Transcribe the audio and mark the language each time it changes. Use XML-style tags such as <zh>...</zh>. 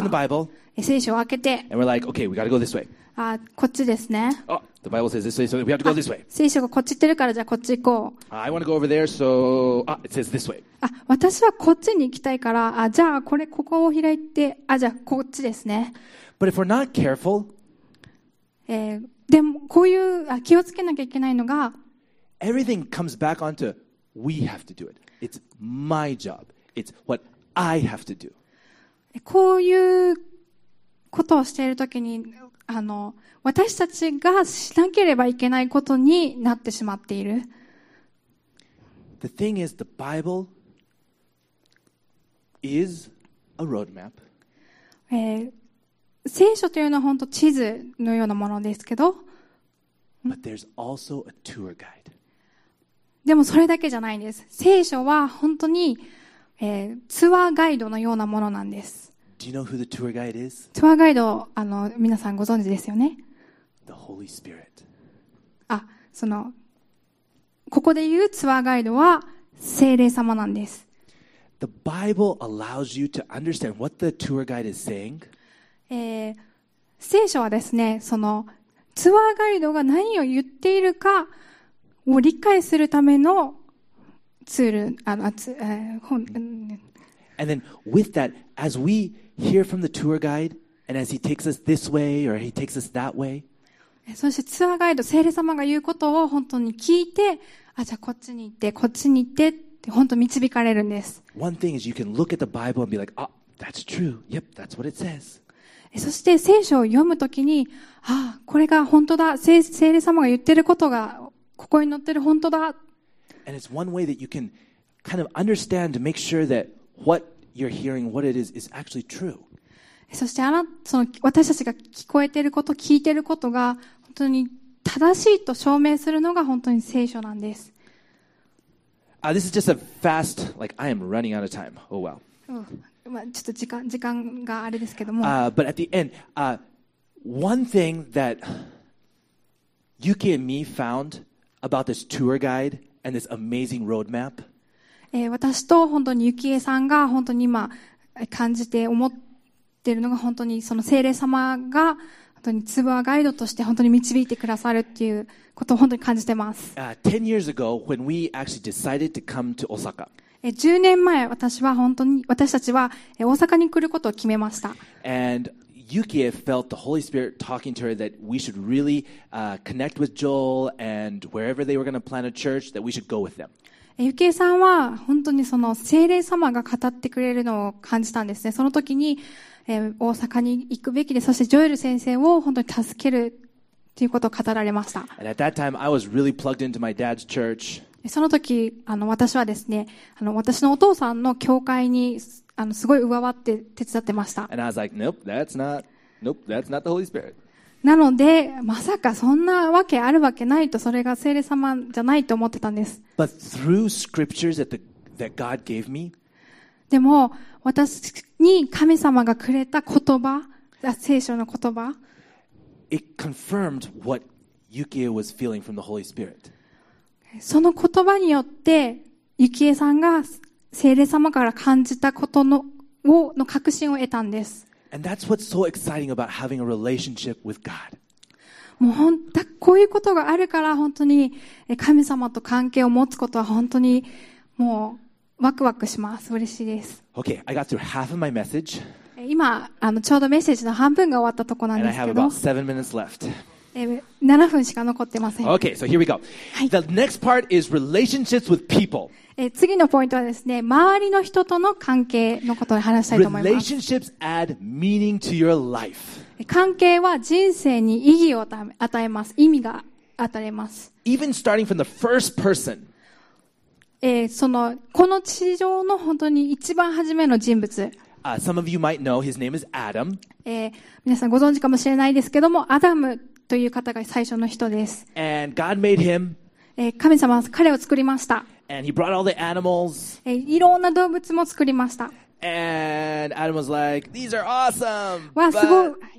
<en>We open the Bible,</en> <ja>聖書を開けて、</ja> <en>and we're like, okay, we gotta go this way.</en> <ja>あ、こっちですね。</ja> <en>Oh, the Bible says this way, so we have to go this way.</en> <ja>聖書がこっち行ってるから、じゃあこっち行こう。</ja> <en>I wanna go over there, so, it says this way.</en> <ja>あ、私はこっちに行きたいから、あ、じゃあこれここを開いて、あ、じゃあこっちですね。</ja> <en>But if we're not careful,</en> <ja>でもこういう、あ、気をつけなきゃいけないのが、</ja> <en>everything comes back onto, we have to do it. It's my job. It's what I have to do.</en> <ja>こういうことをしているときに、私たちがしなければいけないことになってしまっている。</ja> <en>The thing is, the Bible is a roadmap.</en> <ja>聖書というのは本当地図のようなものですけど。</ja> <en>But there's also a tour guide.</en> <ja>でもそれだけじゃないんです。聖書は本当にツアーガイドのようなものなんです。</ja> <en>Do you know who the tour guide is?</en> <ja>ツアーガイド、皆さんご存知ですよね。</ja> <en>The Holy Spirit.</en> <ja>あ、その、ここで言うツアーガイドは聖霊様なんです。</ja> <en>The Bible allows you to understand what the tour guide is saying.</en> <ja>聖書はですね、そのツアーガイドが何を言っているかを理解するためのツール、</ja> <en>And then with that, as we hear from the tour guide, and as he takes us this way or he takes us that way,</en> <ja>そしてツアーガイド、聖霊様が言うことを本当に聞いて、あ、じゃあこっちに行って、こっちに行ってって本当に導かれるんです。</ja> <en>One thing is you can look at the Bible and be like, ah, that's true. Yep, that's what it says.</en> <ja>そして聖書を読むときに、あ、これが本当だ。聖霊様が言ってることがここに載ってる本当だ。</ja> <en>And it's one way that you can kind of understand to make sure that what you're hearing, what it is actually true.</en> <ja>そしてその私たちが聞こえていること、聞いていることが本当に正しいと証明するのが本当に聖書なんです。</ja> <en>This is just a fast, like I am running out of time. Oh well.</en> <ja>まあちょっと時間があれですけども。</ja> <en>But at the end, one thing that Yuki and me found about this tour guide. And this amazing roadmap.</en> <ja>私と本当にユキエさんが本当に今感じて思っているのが本当にその聖霊様が本当にツアーガイドとして本当に導いてくださるっていうことを本当に感じてます。</ja> <en>10 years ago, when we actually decided to come to Osaka.</en> <ja>10年前、私は本当に私たちは大阪に来ることを決めました。</ja> <en>And Yukie felt the Holy Spirit talking to her that we should really connect with Joel and wherever they were going to plant a church that we should go with them.</en> <ja>Yukie さんは本当にその聖霊様が語ってくれるのを感じたんですね。その時に大阪に行くべきで、そしてジョエル先生を本当に助けるということを語られました。</ja> <en>And at that time, I was really plugged into my dad's church.</en> <ja>その時、私はですね、私のお父さんの教会にすごい上回って手伝ってました。</ja> <en>And I was like, nope, that's not, nope, that's not the Holy Spirit.</en> <ja>なので、まさかそんなわけあるわけないと、それが聖霊様じゃないと思ってたんです。</ja> <en>But through scriptures that God gave me,</en> <ja>でも、私に神様がくれた言葉、聖書の言葉、</ja> <en>it confirmed what Yukie was feeling from the Holy Spirit.</en> <ja>その言葉によって、Yukieさんが聖霊様から感じたことの確信を得たんです。</ja> <en>And that's what's so exciting about having a relationship with God.</en> <ja>もう本当こういうことがあるから本当に神様と関係を持つことは本当にもうワクワクします。嬉しいです。</ja> <en>Okay, I got through half of my message.</en> <ja>今ちょうどメッセージの半分が終わったところなんですけど。</ja> <en>And I have about 7 minutes left.</en> <ja>7分しか残ってません。</ja> <en>Okay, so here we go.、</en> <ja>はい、</ja> <en>The next part is relationships with people.</en> <ja>次のポイントはですね、周りの人との関係のことを話したいと思います。</ja> <en>Relationships add meaning to your life.</en> <ja>関係は人生に意義を与えます。意味が与えます。</ja> <en>Even starting from the first person.</en> <ja>この地上の本当に一番初めの人物。</ja> <en>Some of you might know his name is Adam.</en> <ja>皆さんご存知かもしれないですけども、アダムという方が最初の人です。</ja> <en>And God made him.</en> <ja>神様は彼を作りました。</ja> <en>And he brought all the animals.</en> <ja>いろんな動物も作りました。</ja> <en>And Adam was like, these are awesome.</en> <ja>わあ、すごい。</ja>